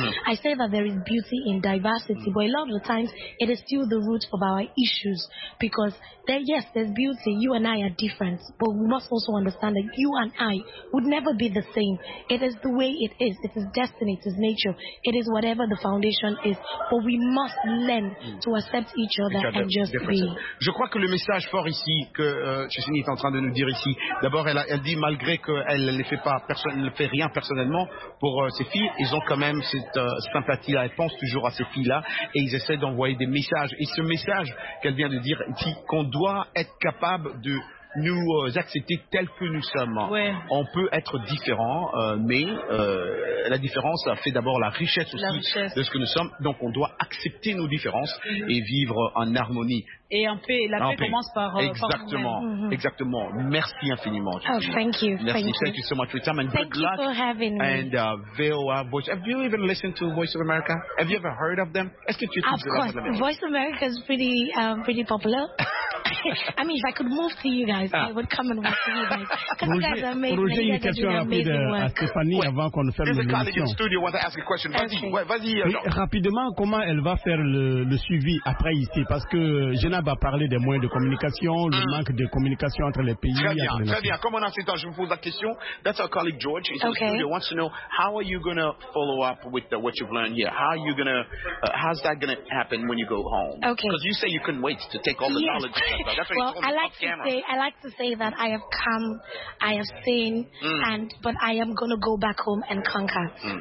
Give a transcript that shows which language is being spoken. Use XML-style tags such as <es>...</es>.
<en>I say that there is beauty in diversity, but a lot of the times it is still the root of our issues, because there, yes, there's beauty. You and I are different, but we must also understand that you and I would never be the same. It is the way it is. It is destiny. It is nature. It is whatever the foundation is, but we must learn to accept each other and just be.</en> <fr>Je crois que le message fort ici que Chesini est en train de nous dire ici, d'abord, elle dit malgré qu'elle ne fait pas, elle ne fait rien personnellement pour ses filles, ils ont quand même cette sympathie-là. Elle pense toujours à ces filles-là et ils essaient d'envoyer des messages. Et ce message qu'elle vient de dire, ici, qu'on doit être capable de nous accepter tels que nous sommes. Ouais. On peut être différent, mais la différence fait d'abord la richesse aussi de ce que nous sommes. Donc, on doit accepter nos différences et vivre en harmonie. Et en paix, la paix commence par exactement, par exactement. Merci infiniment.</fr> <en>Oh, thank you.</en> <fr>Merci,</fr> <en>thank you so much for your time and thank good luck. Thank you for having me. And VOA Voice. Have you even listened to Voice of America? Have you ever heard of them?</en> <fr>Est-ce que tu écoutes Voice of America?</fr> <en>Of course, Voice of America is pretty, pretty popular. I mean, if I could move to you guys, I would come and watch you guys. Because you guys are amazing. Roger, you can do amazing work.</en> <fr>À Stéphanie avant qu'on ferme l'émission.</fr> <en>In the studio, want to ask a question?</en> <fr>Vas-y. Rapidement, comment elle va faire le suivi après ici? Parce que va parler des moyens de communication, le manque de communication entre les pays. Très bien, entre les très bien. Comme on a fait temps, je vous pose la question.</fr> <en>That's our colleague George. He's okay. He wants to know how are you going to follow up with what you've learned here? How are you going to, how's that going to happen when you go home? Okay. Because you say you couldn't wait to take all the knowledge. Well, I like to say, that I have come, I have seen, but I am going to go back home and conquer.</en>